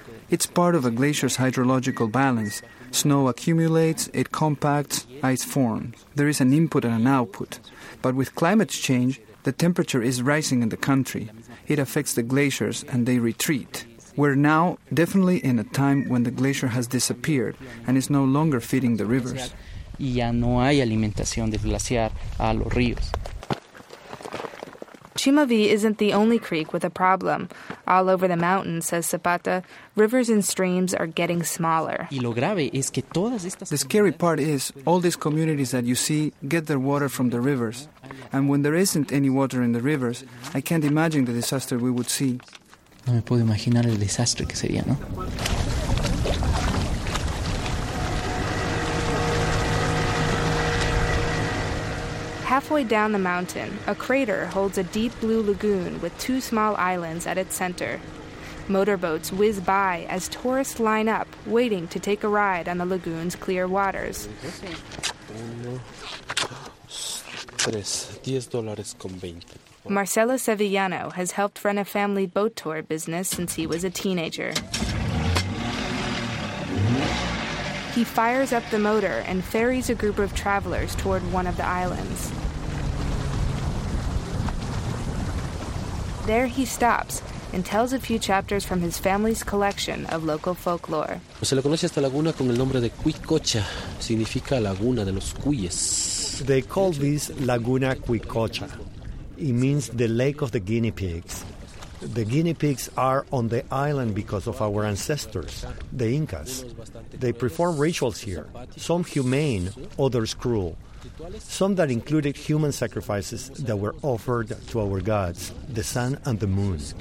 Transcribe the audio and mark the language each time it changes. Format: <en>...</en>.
<en>It's part of a glacier's hydrological balance. Snow accumulates, it compacts, ice forms. There is an input and an output. But with climate change, the temperature is rising in the country. It affects the glaciers and they retreat. We're now definitely in a time when the glacier has disappeared and is no longer feeding the rivers.</en> <es>Ya no hay alimentación del glaciar a los ríos.</es> <en>Chumavi isn't the only creek with a problem. All over the mountain, says Zapata, rivers and streams are getting smaller. The scary part is all these communities that you see get their water from the rivers. And when there isn't any water in the rivers, I can't imagine the disaster we would see.</en> <es>No me puedo imaginar el desastre que sería, ¿no? Mm-hmm.</es> <en>halfway down the mountain, a crater holds a deep blue lagoon with two small islands at its center. Motorboats whiz by as tourists line up, waiting to take a ride on the lagoon's clear waters. Marcelo Sevillano has helped run a family boat tour business since he was a teenager. He fires up the motor and ferries a group of travelers toward one of the islands. There he stops and tells a few chapters from his family's collection of local folklore.</en> <es>Se le conoce esta laguna con el nombre de Cuicocha, significa laguna de los cuyes.</es> <en>They call this Laguna Cuicocha. It means the lake of the guinea pigs. The guinea pigs are on the island because of our ancestors, the Incas. They perform rituals here, some humane, others cruel. Some that included human sacrifices that were offered to our gods, the sun and the moon.</en>